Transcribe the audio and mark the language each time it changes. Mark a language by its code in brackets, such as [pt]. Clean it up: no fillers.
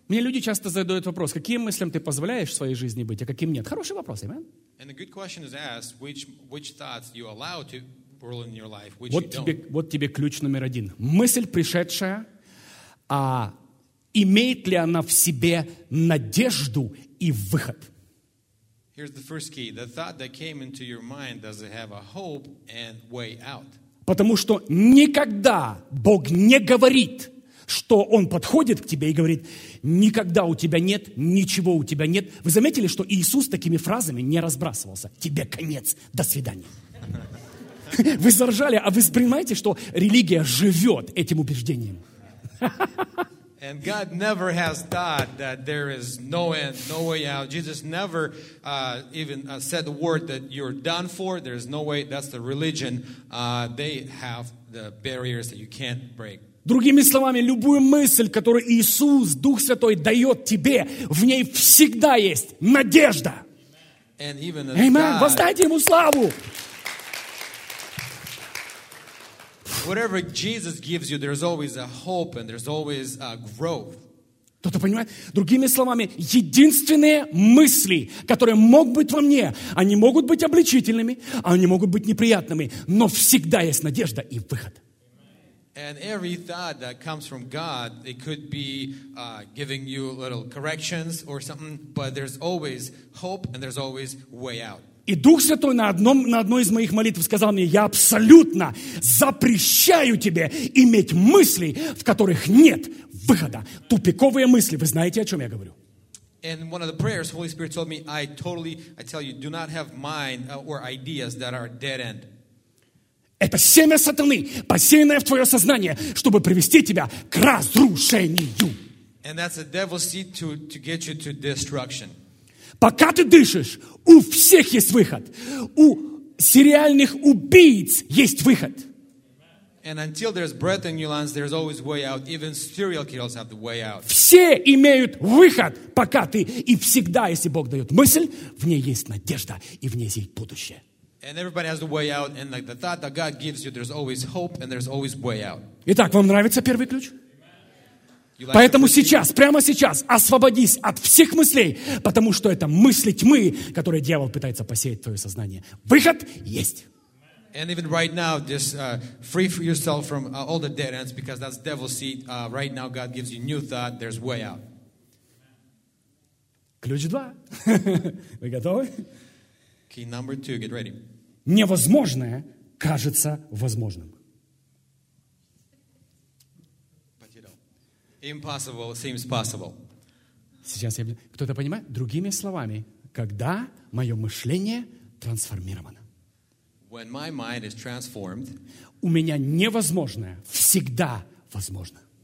[ru] Мне люди часто задают вопрос, каким мыслям ты позволяешь в своей жизни быть, а каким нет. Хороший вопрос, amen? [en] And a good question is asked, which thoughts you allow to rule in your life, which [ru] вот [en] you don't. [ru] Вот тебе ключ номер один. Мысль, пришедшая, а имеет ли она в себе надежду и выход? [en] Here's the first key. The thought that came into your mind, does it have a hope and way out? [ru] Потому что никогда Бог не говорит, что Он подходит к тебе и говорит, никогда у тебя нет, ничего у тебя нет. Вы заметили, что Иисус такими фразами не разбрасывался? Тебе конец, до свидания. Вы заржали, а вы понимаете, что религия живет этим убеждением? [en] And God never has thought that there is no end, no way out. Jesus never even said the word that you're done for. There is no way. That's the religion. They have the barriers that you can't break. [ru] Другими словами, любую мысль, которую Иисус, Дух Святой, дает тебе, в ней всегда есть надежда. [en] And even [ru] Amen. Воздайте Ему славу. [en] Whatever Jesus gives you, there's always a hope and there's always a growth. [ru] Кто-то понимает? Другими словами, единственные мысли, которые могут быть во мне, они могут быть обличительными, они могут быть неприятными, но всегда есть надежда и выход. [en] And every thought that comes from God, it could be giving you little corrections or something, but there's always hope and there's always way out. [ru] И Дух Святой на одной из моих молитв сказал мне: я абсолютно запрещаю тебе иметь мысли, в которых нет выхода. Тупиковые мысли. Вы знаете, о чем я говорю? [en] And one of the prayers, Holy Spirit told me, I tell you, do not have mind or ideas that are dead end. [ru] Это семя сатаны, посеянное в твое сознание, чтобы привести тебя к разрушению. [en] And that's the devil's seed to get you to destruction. [ru] Пока ты дышишь, у всех есть выход. У сериальных убийц есть выход. [en] And until there's breath in your lungs, there's always way out. Even serial killers have the way out. [ru] Все имеют выход, пока ты. И всегда, если Бог дает мысль, в ней есть надежда, и в ней есть будущее. [en] And everybody has the way out. And like the thought that God gives you, there's always hope, and there's always way out. [ru] Итак, вам нравится первый ключ? Поэтому сейчас, прямо сейчас, освободись от всех мыслей, потому что это мысли тьмы, которые дьявол пытается посеять в твое сознание. Выход есть. [en] And even right now, just free yourself from all the dead ends, because that's devil's seed. Right now, God gives you new thought. There's way out. [ru] Ключ два. Вы готовы? [en] Key number two. Get ready. [ru] Невозможное кажется возможным. [en] But you don't. Impossible seems possible. [ru] Сейчас я... Кто-то понимает? Другими словами, когда мое мышление трансформировано. [en] When my mind is transformed, [ru] у меня невозможное всегда возможно.